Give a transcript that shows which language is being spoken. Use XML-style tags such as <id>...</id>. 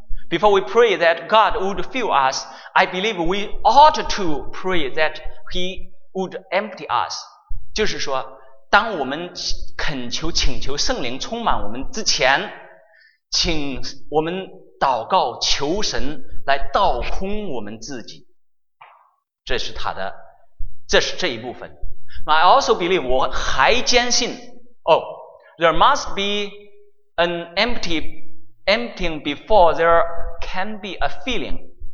<en>Before we pray that God would fill us, I believe we ought to pray that He would empty us.</en> <zh>就是说当我们恳求请求圣灵充满我们之前，请我们祷告求神来倒空我们自己。这是这一部分。</zh> <en>I also believe,</en> <zh>我还坚信</zh> <en>there must be an emptying before there can be a filling.</en>